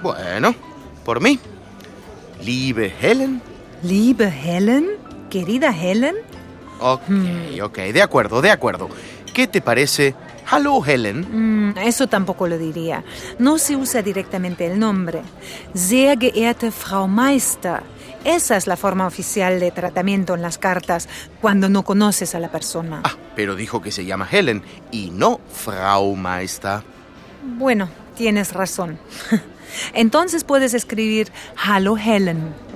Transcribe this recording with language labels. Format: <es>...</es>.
<es>Bueno, por mí.</es> <de>Liebe Helen. Liebe Helen.</de> <es>Querida Helen. Ok, de acuerdo, de acuerdo. ¿Qué te parece?</es> <en>Hello, Helen.</en> <es>Eso tampoco lo diría. No se usa directamente el nombre.</es> <de>Sehr geehrte Frau Meister.</de> <es>Esa es la forma oficial de tratamiento en las cartas cuando no conoces a la persona. Ah, pero dijo que se llama Helen y no Frau Meister. Bueno, tienes razón. Entonces puedes escribir</es> <en>Hello, Helen.</en>